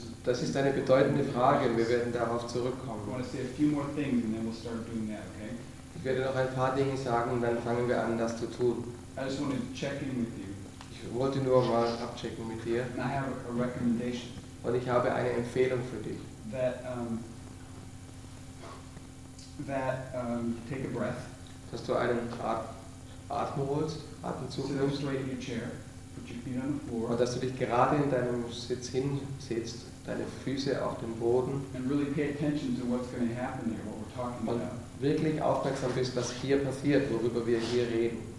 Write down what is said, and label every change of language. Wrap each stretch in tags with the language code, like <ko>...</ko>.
<de>Das ist eine bedeutende Frage, und wir werden darauf zurückkommen.</de> <en>I want to say a few more things, and then we'll start doing that, okay?</en> <de>Ich werde noch ein paar Dinge sagen, und dann fangen wir an, das zu tun.</de> <en>I just wanted to check in with you.</en> <de>Ich wollte nur mal abchecken mit dir.</de> <en>And I have a recommendation.</en> <de>Und ich habe eine Empfehlung für dich.</de> <en>Take a breath.</en> <de>Dass du einen Atem holst, Atemzug</de> <en>nimmst. Sit straight in your chair. Put your feet on the floor.</en> <de>Und dass du dich gerade in deinem Sitz hinsetzt, deine Füße auf dem Boden.</de> <en>And really pay attention to what's going to happen there, what we're talking</en> <de>und</de> <en>about.</en> <de>Wirklich aufmerksam bist, was hier passiert, worüber wir hier reden.</de>